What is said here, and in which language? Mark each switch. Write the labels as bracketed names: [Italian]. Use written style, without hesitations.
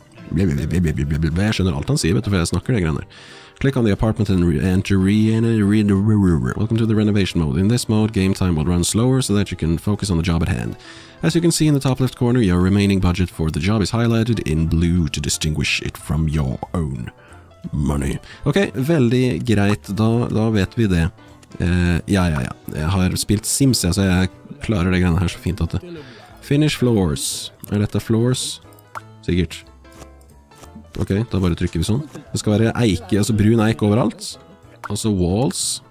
[Norwegian] Jeg skjønner alt han sier, vet du, for jeg snakker det grann her. [English] Click on the apartment and welcome to the renovation mode. In this mode, game time will run slower so that you can focus on the job at hand. As you can see in the top left corner, your remaining budget for the job is highlighted in blue to distinguish it from your own money. [Norwegian] Okay, veldig greit, da vet vi det. Ja. Jeg har spilt Sims, så jeg klarer det grann her så fint at det... [English] Finish floors. [Norwegian] Dette floors? Sikkert. Ok, da bare trykker vi sånn. Det skal være eike, altså brun eik overalt. Og så walls.